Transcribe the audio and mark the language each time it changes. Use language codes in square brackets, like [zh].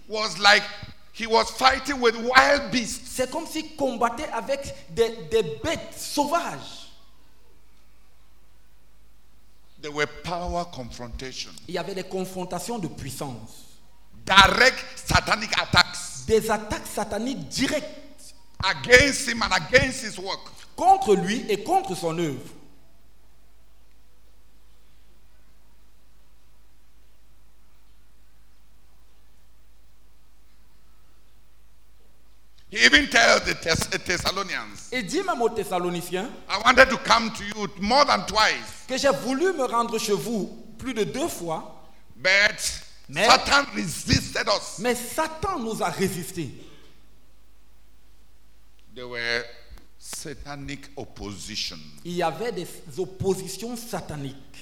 [en] was like he was fighting with wild beasts. [fr] C'est comme s'il combattait avec des bêtes sauvages. [en] There were power confrontations. [fr] Il y avait des confrontations de puissance. [en] Direct satanic attacks. [fr] Des attaques sataniques directes. [en] Against him and against his work. [fr] Contre lui et contre son œuvre. [en] He even tells the Thessalonians. [fr] Et dit même aux Thessaloniciens. [en] I wanted to come to you more than twice. [fr] Que j'ai voulu me rendre chez vous plus de deux fois. [en] But Satan resisted us. [fr] Mais Satan nous a résisté. [en] There were satanic oppositions. [fr] Il y avait des oppositions sataniques.